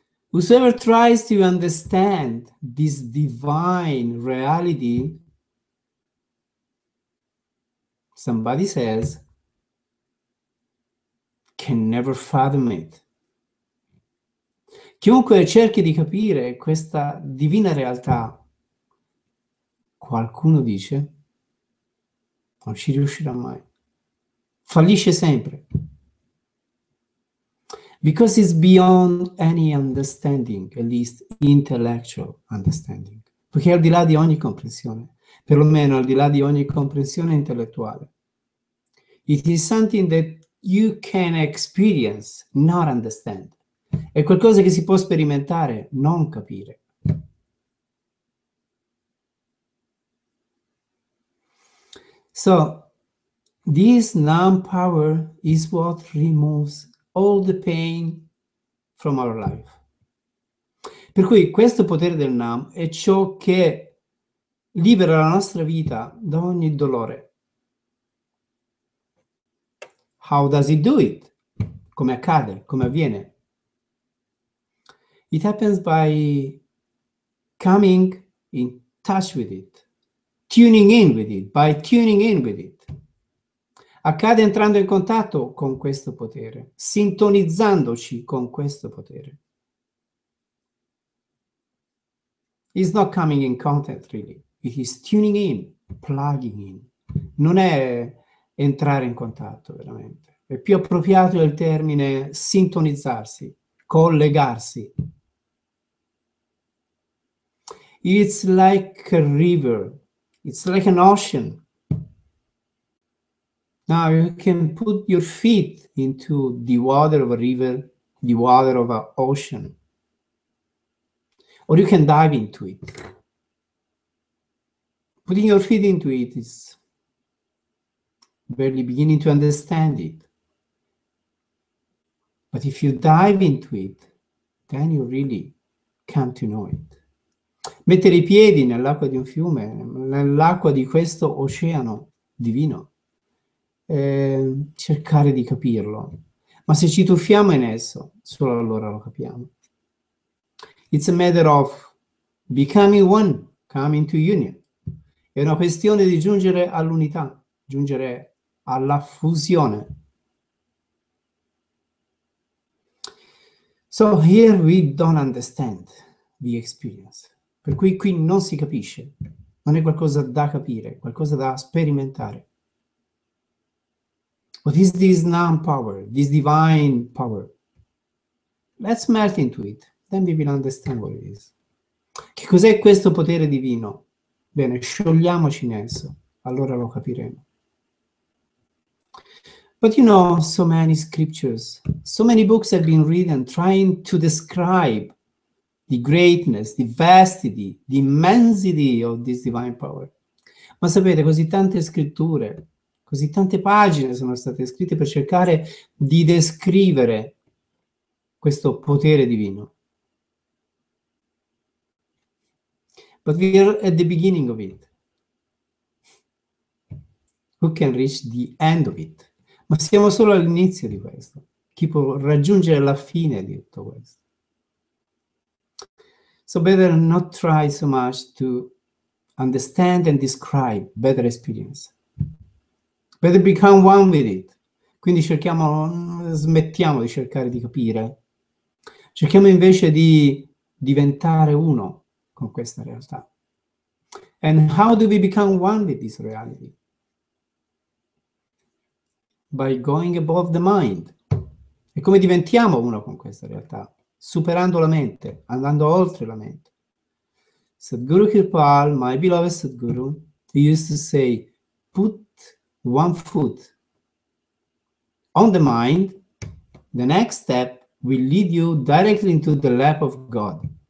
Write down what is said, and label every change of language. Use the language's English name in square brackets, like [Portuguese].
[English] Whosoever tries to understand this divine reality, somebody says, can never fathom it. [Italian] Chiunque cerchi di capire questa divina realtà, qualcuno dice, non ci riuscirà mai. Fallisce sempre. [English] Because it's beyond any understanding, at least intellectual understanding. [Italian] Perché è al di là di ogni comprensione, perlomeno al di là di ogni comprensione intellettuale. [English] It is something that you can experience, not understand. [Italian] È qualcosa che si può sperimentare, non capire. [English] So, this numb power is what removes all the pain from our life. [Italian] Per cui questo potere del numb è ciò che libera la nostra vita da ogni dolore. [English] How does it do it? [Italian] Come accade? Come avviene? [English] It happens by coming in touch with it, tuning in with it, by tuning in with it. [Italian] Accade entrando in contatto con questo potere, sintonizzandoci con questo potere. [English] It's not coming in contact, really. It is tuning in, plugging in. [Italian] Non è entrare in contatto, veramente. È più appropriato il termine sintonizzarsi, collegarsi. [English] It's like a river. It's like an ocean. Now you can put your feet into the water of a river, the water of an ocean. Or you can dive into it. Putting your feet into it is barely beginning to understand it. But if you dive into it, then you really come to know it. [Italian] Mettere i piedi nell'acqua di un fiume, nell'acqua di questo oceano divino, cercare di capirlo. Ma se ci tuffiamo in esso, solo allora lo capiamo. [English] It's a matter of becoming one, coming to union. [Italian] È una questione di giungere all'unità, giungere alla fusione. [English] So here we don't understand the experience. [Italian] Per cui qui non si capisce, non è qualcosa da capire, qualcosa da sperimentare. [English] What is this numb power, this divine power? Let's melt into it, then we will understand what it is. [Italian] Che cos'è questo potere divino? Bene, sciogliamoci in esso, allora lo capiremo. [English] But you know, so many scriptures, so many books have been written trying to describe the greatness, the vastity, the immensity of this divine power. [Italian] Ma sapete, così tante scritture, Così tante pagine sono state scritte per cercare di descrivere questo potere divino. [English] But we are at the beginning of it. Who can reach the end of it? [Italian] Ma siamo solo all'inizio di questo. Chi può raggiungere la fine di tutto questo? [English] So better not try so much to understand and describe better experience. Better become one with it. [Italian] Quindi cerchiamo, smettiamo di cercare di capire. Cerchiamo invece di diventare uno con questa realtà. [English] And how do we become one with this reality? By going above the mind. [Italian] E come diventiamo uno con questa realtà? Superando la mente, andando oltre la mente. [English] Sadhguru Kirpal, my beloved Sadhguru, he used to say, put one foot on the mind, the next step will lead you directly into the lap of God.